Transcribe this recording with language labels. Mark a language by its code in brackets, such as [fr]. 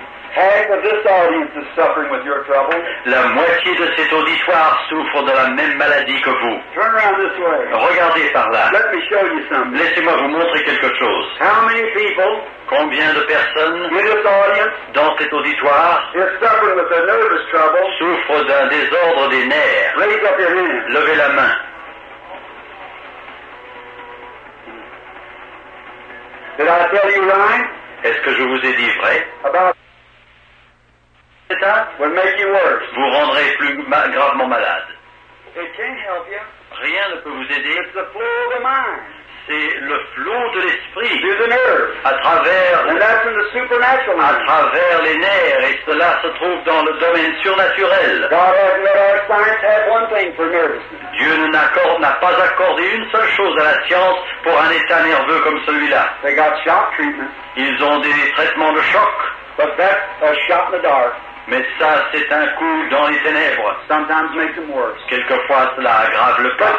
[en] Half of this audience is suffering with your trouble. [fr] La moitié de cet auditoire souffre de la même maladie que vous. [en] Turn around this way. [fr] Regardez par là. [en] Let me show you something. [fr] Laissez-moi vous montrer quelque chose. [en] How many people? [fr] Combien de personnes [en] in this audience [fr] dans cet auditoire [en] is suffering with a nervous trouble? [fr] Souffre d'un désordre des nerfs. [en] Raise up your hand. [fr] Levez la main. [en] Did I tell you lying? [fr] Est-ce que je vous ai dit vrai? [en] About will make you worse. [fr] Vous rendrez plus gravement malade. [en] It can't help you. [fr] Rien ne peut vous aider. [en] It's the flow of the mind. [fr] C'est le flot de l'esprit. [en] Through the nerves. [fr] À travers. [en] And that's in the supernatural. [fr] À travers les nerfs, et cela se trouve dans le domaine surnaturel. [en] God has let our science have one thing for nervousness. [fr] Dieu n'a pas accordé une seule chose à la science pour un état nerveux comme celui-là. [en] They got shock treatment. [fr] Ils ont des traitements de choc. [en] But that's a shot in the dark. [fr] Mais ça, c'est un coup dans les ténèbres. [en] Sometimes makes them worse. [fr] Quelquefois, cela aggrave le pas.